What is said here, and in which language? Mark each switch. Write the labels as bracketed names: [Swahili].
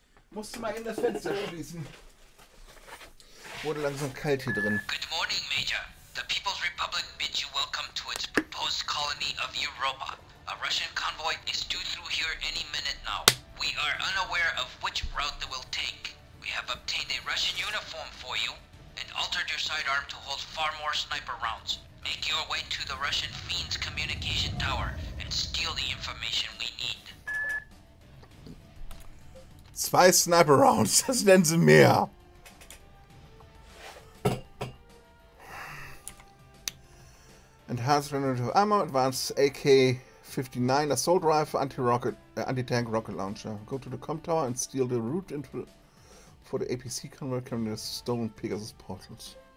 [German] Musste mal in das Fenster schließen. Wurde langsam kalt hier drin. [English] Good morning, Major. The People's Republic bids you welcome to its proposed colony of Europa. A Russian convoy is due through here any minute now. We are unaware of which route they will take. We have obtained a Russian uniform for you and altered your sidearm to hold far more sniper rounds. Make your way to the Russian Fiend's communication tower and steal the information we need. [German] Zwei [English] sniper rounds, [German] das nennen sie mehr. [English] Enhanced regenerative ammo, advanced AK-59 assault rifle, anti-tank rocket launcher. Go to the comm tower and steal the route into for the APC convoy carrying the stolen Pegasus portals.